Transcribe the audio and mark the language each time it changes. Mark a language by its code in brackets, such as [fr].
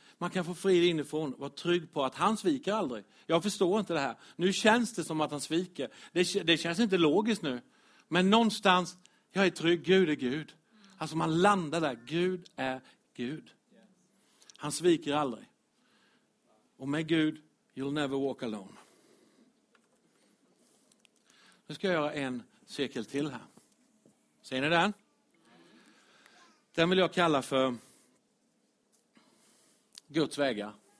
[sv] Man kan få frid inifrån, vara trygg på att han sviker aldrig. Jag förstår inte det här. Nu känns det som att han sviker. Det känns inte logiskt nu. Men någonstans, jag är trygg, Gud är Gud. Alltså man landar där, Gud är Gud. Han sviker aldrig. Och med Gud, [en] you'll never walk alone. [sv] Nu ska jag göra en cirkel till här. Ser ni den? Den vill jag kalla för Guds vägar.